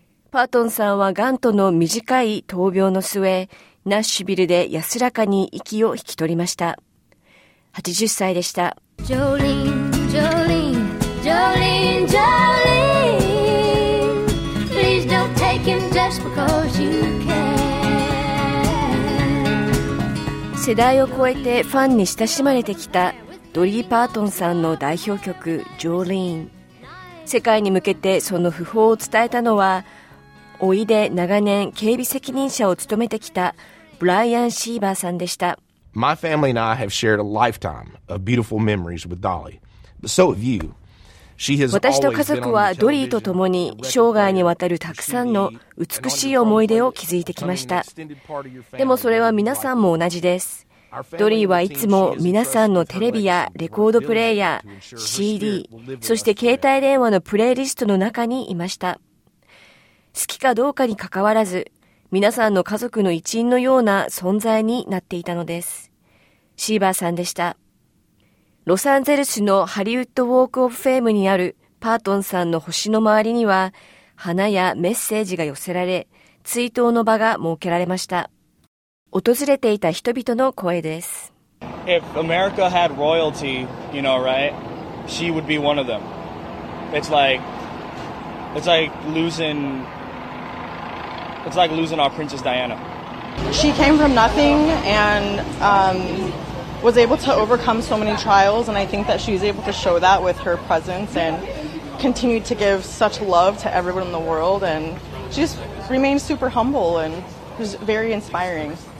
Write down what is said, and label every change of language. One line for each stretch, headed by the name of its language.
Japanese: パートンさんはガンとの短い闘病の末、ナッシュビルで安らかに息を引き取りました。 80歳でした。ジョリン、ジョリン、ジョリン、ジョリン。
English: Please don't take him just because you can.
Japanese: 世代を超えてファンに親しまれてきたドリー・パートンさんの代表曲「ジョーリーン」。世界に向けてその訃報を伝えたのは、甥で長年警備責任者を務めてきたブライアン・シーバーさんでした。
English: My family and I have shared a lifetime of beautiful memories with Dolly, but so have you.
Japanese: 私と家族はドリーと共に生涯にわたるたくさんの美しい思い出を築いてきました。でもそれは皆さんも同じです。ドリーはいつも皆さんのテレビやレコードプレイヤー CD、 そして携帯電話のプレイリストの中にいました。好きかどうかにかかわらず、皆さんの家族の一員のような存在になっていたのです。シーバーさんでした。ロサンゼルスのハリウッドウォークオブフェームにあるパートンさんの星の周りには花やメッセージが寄せられ、追悼の場が設けられました。訪れていた人々の声です。
English: If America had royalty, you know, right? She would be one of them. It's like losing our Princess Diana. She came from nothing and was able to overcome so many trials, and I think that she's able to show that with her presence and continued to give such love to everyone in the world, and she just remained super humble and was very inspiring.